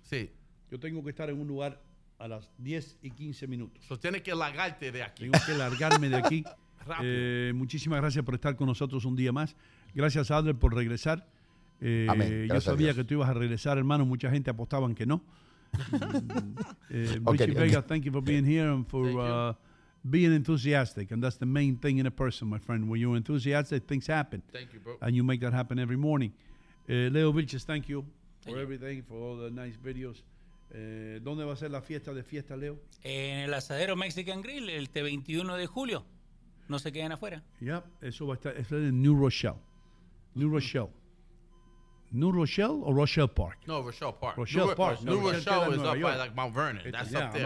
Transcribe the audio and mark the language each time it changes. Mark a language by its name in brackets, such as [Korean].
[Spanish] Sí. Yo tengo que estar en un lugar a las 10 y 15 minutos. Eso tiene que largarte de aquí. Tengo que largarme de aquí. Rápido. Muchísimas gracias por estar con nosotros un día más. Gracias, Adler, por regresar. Yo sabía que tú ibas a regresar, hermano. Mucha gente apostaba en que no. [English] Richie Vega, thank you for being here and for being enthusiastic. And that's the main thing in a person, my friend. When you're enthusiastic, things happen. Thank you, bro. And you make that happen every morning. Leo Vilches, thank you for everything, for all the nice videos. [Spanish] ¿Dónde va a ser la fiesta de fiesta, Leo? En el Asadero Mexican Grill, el 21 de julio. No se queden afuera. Ya, [English] yeah, [Spanish] eso va a estar en New Rochelle. New Rochelle. New Rochelle o Rochelle Park? No, Rochelle Park. Rochelle Park. [English] New Rochelle is up by like Mount Vernon. That's up there.